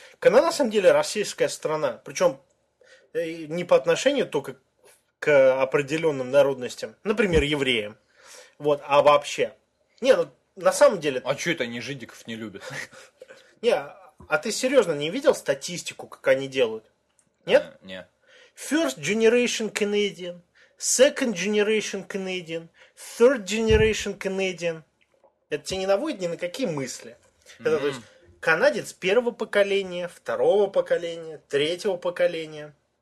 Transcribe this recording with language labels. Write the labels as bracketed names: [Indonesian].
[Russian] Канада на самом деле расистская страна. Причем не по отношению только к определенным народностям, например, евреям. Вот, а вообще. Не, ну на самом деле. А что это они жидиков не любят? Не, а ты серьезно не видел статистику, как они делают? Нет? Нет. [English] First generation Canadian, second generation Canadian, third generation Canadian. [Russian] Это тебе не наводит ни на какие мысли. Mm-hmm. Это то есть канадец первого поколения, второго поколения, третьего поколения.